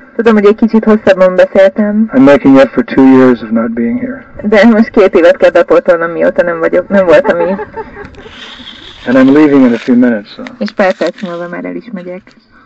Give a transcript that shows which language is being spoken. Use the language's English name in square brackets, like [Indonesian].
[Hungarian] tudom, hogy egy kicsit hosszabban beszéltem. [English] I'm making up for 2 years of not being here. [Hungarian] De most két évet kell bepótolnom, mióta nem vagyok, nem voltam itt. [English] And I'm leaving in a few minutes. [Hungarian] És pár perc múlva már el is megyek.